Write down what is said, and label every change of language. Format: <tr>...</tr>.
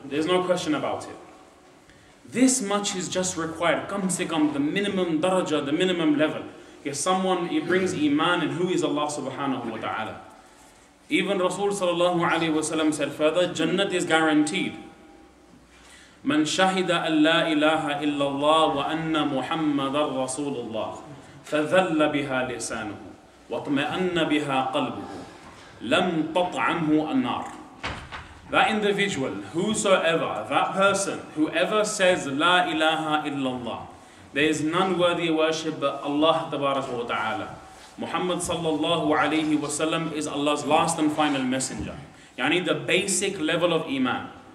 <en>There's no question about it. This much is just required.</en> <ur>Kam se kam,</ur> <en>the minimum daraja, the minimum level. If someone, it brings iman and who is Allah subhanahu wa ta'ala. Even Rasul sallallahu alayhi wa sallam said further, Jannah is guaranteed.</en> <ar>من شهد أن لا إله إلا الله وأن محمد رسول الله فذل بها لسانه واطمأن بها قلبه لم تطعمه النار.</ar> <en>That individual, whosoever, that person, whoever says</en> <ar>لا إله إلا الله,</ar> <en>there is none worthy of worship but Allah</en> <ar>تبارك وتعالى,</ar> <en>Muhammad sallallahu alayhi wasallam is Allah's last and final messenger. Yani the basic level of iman.</en>